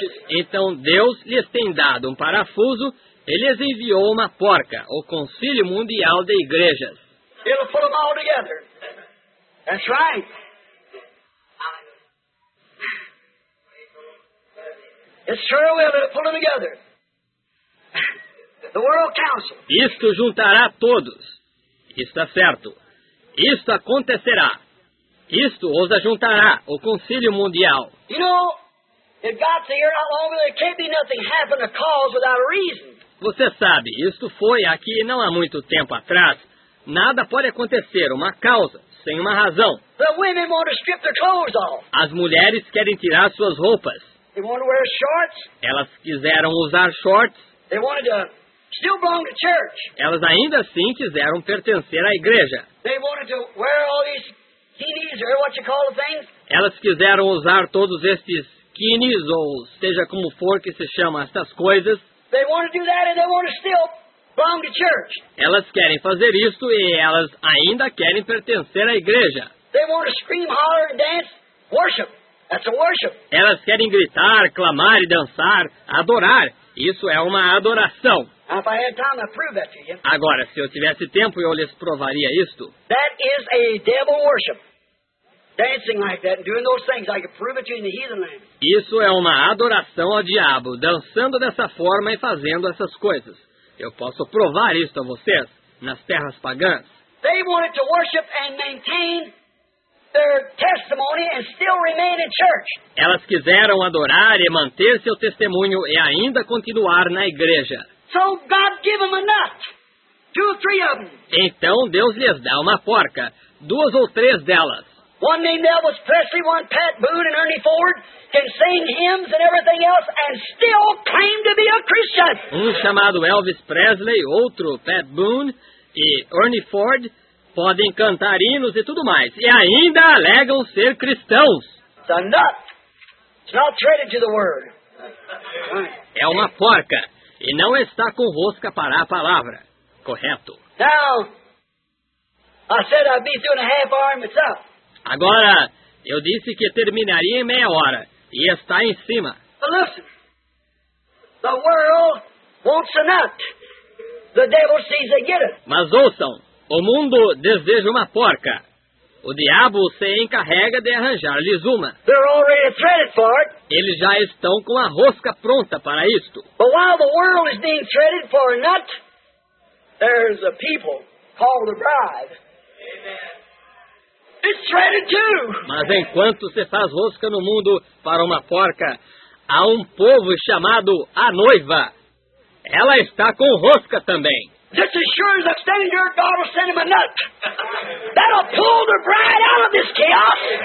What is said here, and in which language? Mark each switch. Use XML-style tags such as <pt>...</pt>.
<pt>Então Deus lhes tem dado um parafuso, ele lhes enviou uma porca, o Conselho Mundial de Igrejas.</pt> <en>It'll put them all together. That's right. It's true, we'll pull them together. The World Council.</en> <pt>Isto juntará todos. Está certo. Isto acontecerá. Isto os ajuntará, o Conselho Mundial.</pt> <en>You know, if God's here, not long ago, there can't be nothing happen to cause without a reason.</en> <pt>Você sabe, isto foi aqui não há muito tempo atrás. Nada pode acontecer, uma causa, sem uma razão.</pt> <en>The women want to strip their clothes off.</en> <pt>As mulheres querem tirar suas roupas.</pt> <en>They wanted to wear shorts.</en> <pt>Elas quiseram usar shorts.</pt> <en>They wanted to still belong to church.</en> <pt>Elas ainda assim quiseram pertencer à igreja.</pt> <en>They wanted to wear all these skinnies or what you call the things.</en> <pt>Elas quiseram usar todos estes skinnies ou seja como for que se chama essas coisas.</pt> <en>They wanted to do that and they wanted to still belong to church.</en> <pt>Elas querem fazer isto e elas ainda querem pertencer à igreja.</pt> <en>They wanted to scream, holler, dance, worship. That's a worship.</en> <pt>Elas querem gritar, clamar e dançar, adorar. Isso é uma adoração.</pt> <en>If I had time, I'd prove that to you.</en> <pt>Agora, se eu tivesse tempo, eu lhes provaria isto.</pt> <en>That is a devil worship. Dancing like that and doing those things, I could prove it to you in the heathen land.</en> <pt>Isso é uma adoração ao diabo, dançando dessa forma e fazendo essas coisas. Eu posso provar isto a vocês nas terras pagãs.</pt> <en>They wanted to worship and maintain their testimony. and still remain in church.</en> <pt>Elas quiseram adorar e manter seu testemunho e ainda continuar na igreja.</pt> <en>So God give them a nut. Two or three of them.</en> <pt>Então Deus lhes dá uma porca, duas ou três delas.</pt> <en>One named Elvis Presley, one Pat Boone and Ernie Ford can sing hymns and everything else and still claim to be a Christian.</en> <pt>Um chamado Elvis Presley, outro Pat Boone e Ernie Ford podem cantar hinos e tudo mais e ainda alegam ser cristãos.</pt> <en>It's a nut. It's not threaded to the word.</en> <pt>É uma porca e não está com rosca para a palavra. Correto.</pt> <en>Now, I said I'd be doing a half hour and it's up.</en> <pt>Agora, eu disse que terminaria em meia hora, e está em cima.</pt> <en>But listen, the world wants a nut. The devil sees they get it.</en> <pt>Mas ouçam, o mundo deseja uma porca. O diabo se encarrega de arranjar-lhes uma.</pt> <en>They're already threaded for it.</en> <pt>Eles já estão com a rosca pronta para isto.</pt> <en>But while the world is being threaded for a nut, there's a people called the bride. Amen. It's threaded too.</en> <pt>Mas enquanto se faz rosca no mundo para uma porca, há um povo chamado a noiva. Ela está com rosca também.</pt> <en>Just as sure as I'm standing here, God will send him a nut. That'll pull the bride out of this chaos.</en>